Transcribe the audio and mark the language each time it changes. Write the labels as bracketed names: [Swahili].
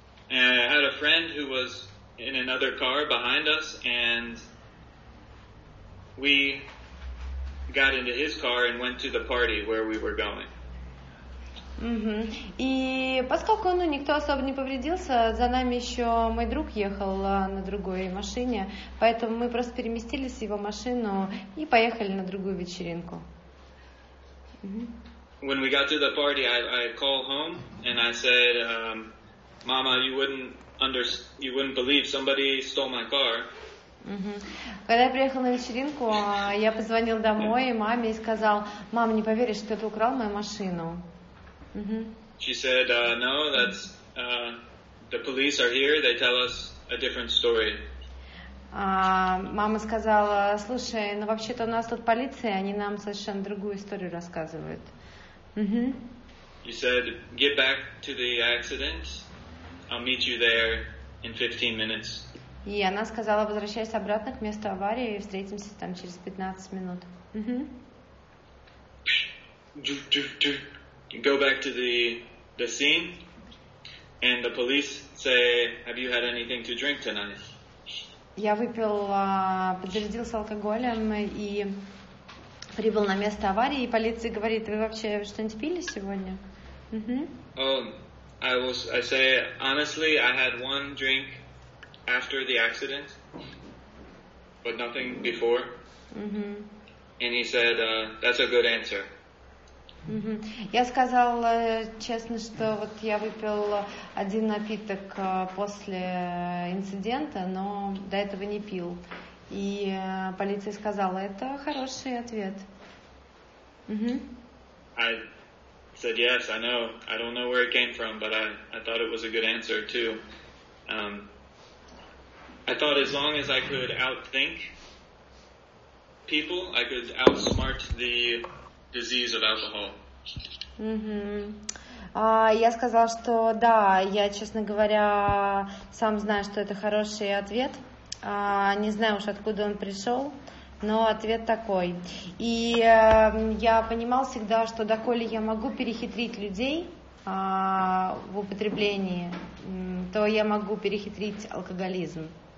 [English] I had a friend who was in another car behind us, and we got into his car and went to the party where we were going. [Russian] И поскольку никто особо не повредился, за нами еще мой друг ехал на другой машине, поэтому мы просто переместились в его машину и поехали на другую вечеринку. [English] When we got to the party, I called home and I said, "Mama, you wouldn't believe somebody stole my car." [Russian] Когда я приехал на вечеринку, я позвонил домой маме и сказал: "Мама, не поверишь, что ты украл мою машину." [English] She said, "No, that's the police are here. They tell us a different story." [Russian] Мама сказала: "Слушай, вообще-то у нас тут полиция, они нам совершенно другую историю рассказывают." [English] He said, "Get back to the accident. I'll meet you there in 15 minutes." [Russian] И она сказала: "Возвращайся обратно к месту аварии и встретимся там через 15 минут." [English] Go back to the scene, And the police say, "Have you had anything to drink tonight?" [Russian] Я выпил, подзарядился алкоголем и прибыл на место аварии, и полиция говорит: "Вы вообще что-нибудь пили сегодня?" [English] I say, honestly, I had one drink after the accident, but nothing before. And he said, "That's a good answer." [Russian] Я сказал честно, что вот я выпил один напиток после инцидента, но до этого не пил. И полиция сказала, это хороший ответ. [English] I said, yes, I know. I don't know where it came from, but I thought it was a good answer too. I thought as long as I could outthink people, I could outsmart the disease of alcohol. [Russian] Я сказала, что да, я, честно говоря, сам знаю, что это хороший ответ. Не знаю уж, откуда он пришел, но ответ такой. И я понимал всегда, что доколе я могу перехитрить людей в употреблении, то я могу перехитрить алкоголизм.